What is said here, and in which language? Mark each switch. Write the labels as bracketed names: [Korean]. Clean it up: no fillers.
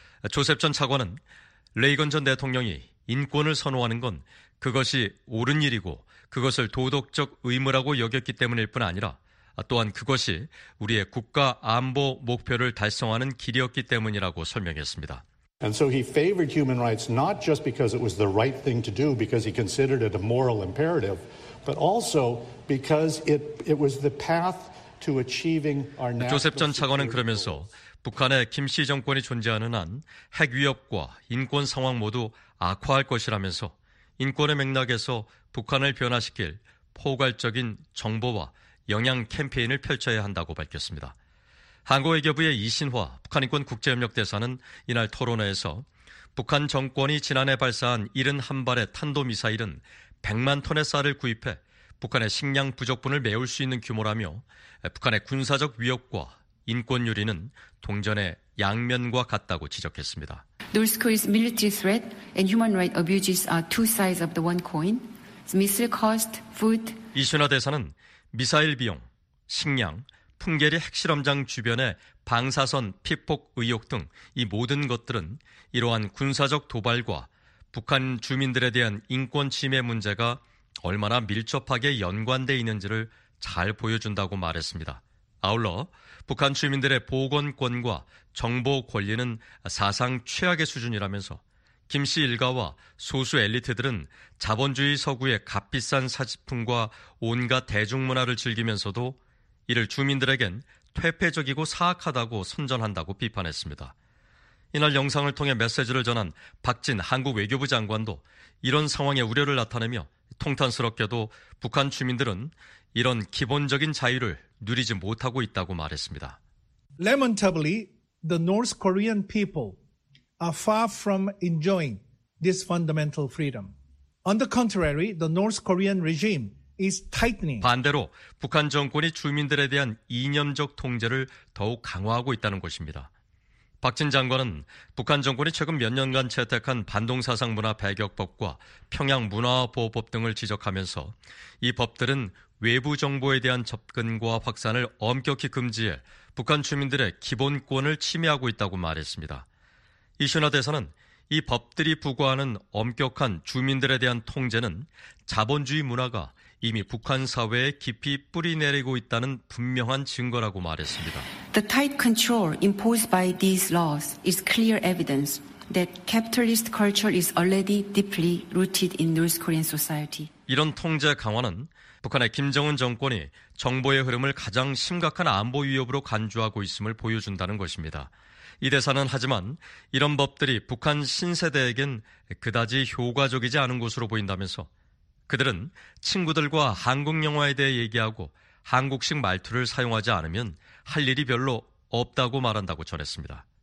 [Korean] 조셉 전 차관은 레이건 전 대통령이 인권을 선호하는 건 그것이 옳은 일이고 그것을 도덕적 의무라고 여겼기 때문일 뿐 아니라 또한 그것이 우리의 국가 안보 목표를 달성하는 길이었기 때문이라고 설명했습니다. [English] And so he favored human rights not just because it was the right thing to do, because he considered it a moral imperative, but also because it was the path to achieving our national. [Korean] 조셉 전 차관은 그러면서 북한의 김씨 정권이 존재하는 한 핵 위협과 인권 상황 모두 악화할 것이라면서 인권의 맥락에서 북한을 변화시킬 포괄적인 정보와 영향 캠페인을 펼쳐야 한다고 밝혔습니다. 한국 외교부의 이신화 북한인권국제협력대사는 이날 토론회에서 북한 정권이 지난해 발사한 71발의 탄도미사일은 100만 톤의 쌀을 구입해 북한의 식량 부족분을 메울 수 있는 규모라며 북한의 군사적 위협과 인권 유린은 동전의 양면과 같다고 지적했습니다. [English] North Korea's military threat and human rights abuses are two sides of the one coin. The missile cost, food. [Korean] 이순화 대사는 미사일 비용, 식량, 풍계리 핵실험장 주변의 방사선 피폭 의혹 등 이 모든 것들은 이러한 군사적 도발과 북한 주민들에 대한 인권 침해 문제가 얼마나 밀접하게 연관돼 있는지를 잘 보여준다고 말했습니다. 아울러 북한 주민들의 보건권과 정보 권리는 사상 최악의 수준이라면서 김 씨 일가와 소수 엘리트들은 자본주의 서구의 값비싼 사치품과 온갖 대중문화를 즐기면서도 이를 주민들에겐 퇴폐적이고 사악하다고 선전한다고 비판했습니다. 이날 영상을 통해 메시지를 전한 박진 한국 외교부 장관도 이런 상황에 우려를 나타내며 통탄스럽게도 북한 주민들은 이런 기본적인 자유를 누리지 못하고 있다고 말했습니다. [English] Lamentably, the North Korean people are far from enjoying this fundamental freedom. On the contrary, the North Korean regime is tightening. [Korean] 반대로 북한 정권이 주민들에 대한 이념적 통제를 더욱 강화하고 있다는 것입니다. 박진 장관은 북한 정권이 최근 몇 년간 채택한 반동사상문화배격법과 평양문화보호법 등을 지적하면서 이 법들은 외부 정보에 대한 접근과 확산을 엄격히 금지해 북한 주민들의 기본권을 침해하고 있다고 말했습니다. 이슈나 대사는 이 법들이 부과하는 엄격한 주민들에 대한 통제는 자본주의 문화가 이미 북한 사회에 깊이 뿌리 내리고 있다는 분명한 증거라고 말했습니다. [English] The tight control imposed by these laws is clear evidence that capitalist culture is already deeply rooted in North Korean society. [Korean] 이런 통제 강화는 북한의 김정은 정권이 정보의 흐름을 가장 심각한 안보 위협으로 간주하고 있음을 보여준다는 것입니다. 이 대사는 하지만 이런 법들이 북한 신세대에겐 그다지 효과적이지 않은 것으로 보인다면서 그들은 친구들과 한국 영화에 대해 얘기하고 한국식 말투를 사용하지 않으면 할 일이 별로 없다고 말한다고 전했습니다.